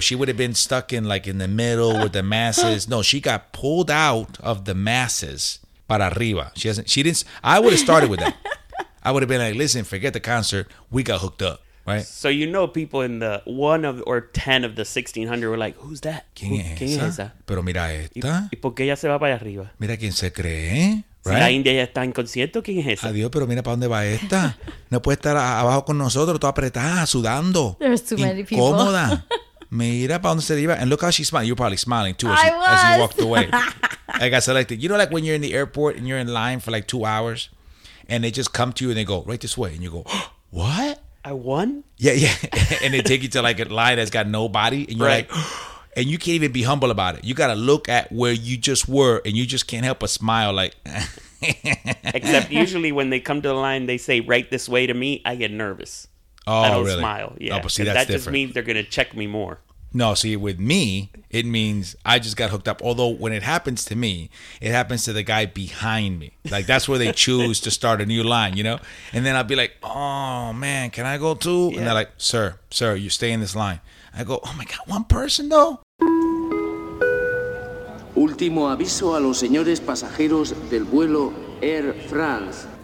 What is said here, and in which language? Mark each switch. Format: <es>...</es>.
<en>She would have been stuck in the middle with the masses. No, she got pulled out of the masses</en> <es>para arriba.</es> <en>I would have started with that. I would have been like, listen, forget the concert. We got hooked up, right? So you know people in the one of or 10 of the 1,600 were like, who's that?</en> <es>¿Quién es esa? Pero mira esta. ¿Y por qué ella se va para arriba? Mira quién se cree,</es> <en>right?</en> <es>Si la India ya está inconsciente, ¿quién es esa? Adiós, pero mira para dónde va esta. No puede estar abajo con nosotros, toda apretada, sudando.</es> <en>There's too many people.</en> <es>Incómoda. Mira para dónde se lleva.</es> <en>And look how she's smiling. You're probably smiling too as you walked away. I got selected. You know like when you're in the airport and you're in line for like 2 hours? And they just come to you and they go, right this way. And you go, oh, what? I won? Yeah, yeah. And they take you to like a line that's got nobody. And you're right. And you can't even be humble about it. You got to look at where you just were and you just can't help but smile like. Except usually when they come to the line, they say, right this way to me, I get nervous. Oh, I don't really? Smile. Yeah. Oh, but see, that's that different. Just means they're going to check me more. No, see, with me, it means I just got hooked up. Although when it happens to me, it happens to the guy behind me. Like, that's where they choose to start a new line, you know? And then I'll be like, oh, man, can I go too? Yeah. And they're like, sir, you stay in this line. I go, oh, my God, one person, though?</en> <es>Último aviso a los señores pasajeros del vuelo Air France.</es>